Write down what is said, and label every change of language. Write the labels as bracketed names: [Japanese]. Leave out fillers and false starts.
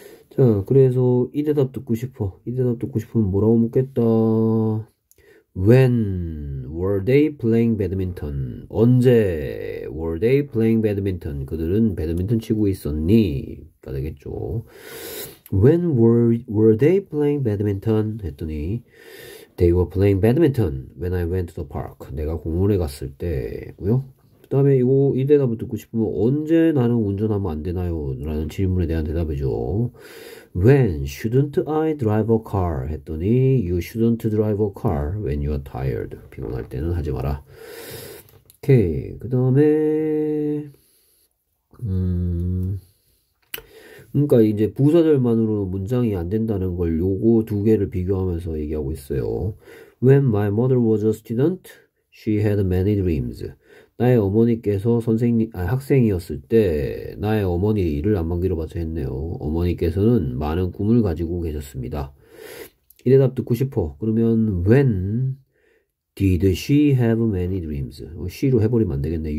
[Korean] 자, 그래서 이 대답 듣고 싶어. 이 대답 듣고 싶으면 뭐라고 묻겠다. [English] When were they playing badminton? [Korean] 언제 [English] were they playing badminton? [Korean] 그들은 배드민턴 치고 있었니?가 되겠죠. [English] When were they playing badminton? 했더니 they were playing badminton when I went to the park. [Korean] 내가 공원에 갔을 때고요. 그다음에 이거 이 대답을 듣고 싶으면 언제 나는 운전하면 안 되나요? 라는 질문에 대한 대답이죠. [English] When shouldn't I drive a car? 했더니 You shouldn't drive a car when you are tired. [Korean] 피곤할 때는 하지 마라. 오케이. 그 다음에 그러니까 이제 부사절만으로 문장이 안 된다는 걸 요거 두 개를 비교하면서 얘기하고 있어요. [English] When my mother was a student, she had many dreams. [Korean] 나의 어머니께서 선생님, 아, 학생이었을 때, 나의 어머니 일을 안 만기로 봐서 했네요. 어머니께서는 많은 꿈을 가지고 계셨습니다. 이 대답 듣고 싶어. 그러면, [English] when did she have many dreams? [Korean] she로 해버리면 안 되겠네.